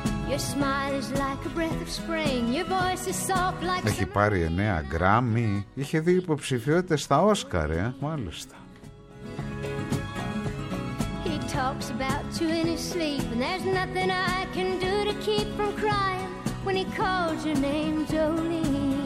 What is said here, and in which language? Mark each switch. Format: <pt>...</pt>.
<en>Your smile is like a breath of spring. Your voice is soft like.</en> <el>Έχει πάρει 9 Grammy. Είχε 2 υποψηφιότητες στα Όσκαρ, μάλιστα.</el> <en>He talks about you in his sleep, and there's nothing I can do to keep from crying when he calls your name, Jolene.</en>